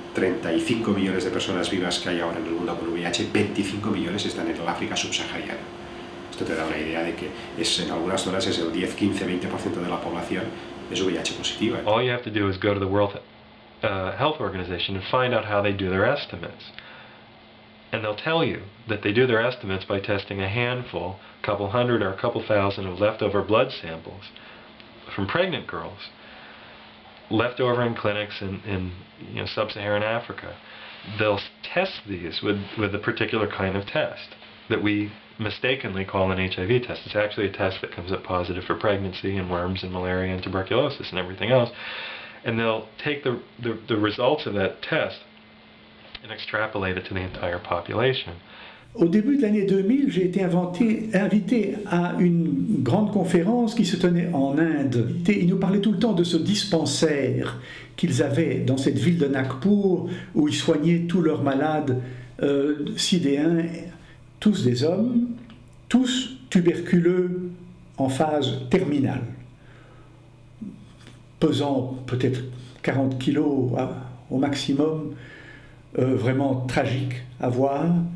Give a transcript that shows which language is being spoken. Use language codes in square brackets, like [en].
[es] 35 millones de personas vivas que hay ahora en el mundo con VIH, 25 millones están en el África subsahariana. Esto te da una idea de que es, en algunas zonas es el 10, 15, 20% de la población es VIH positiva. [en] All you have to do is go to the World Health Organization and find out how they do their estimates. And they'll tell you that they do their estimates by testing a handful, a couple hundred or a couple thousand of leftover blood samples from pregnant girls left over in clinics in sub-Saharan Africa. They'll test these with a particular kind of test that we mistakenly call an HIV test. It's actually a test that comes up positive for pregnancy and worms and malaria and tuberculosis and everything else. And they'll take the results of that test and extrapolate it to the entire population. [fr] Au début de l'année 2000, j'ai été invité à une grande conférence qui se tenait en Inde. Ils nous parlaient tout le temps de ce dispensaire qu'ils avaient dans cette ville de Nagpur où ils soignaient tous leurs malades sidéens, tous des hommes, tous tuberculeux en phase terminale, pesant peut-être 40 kilos hein, au maximum, vraiment tragique à voir.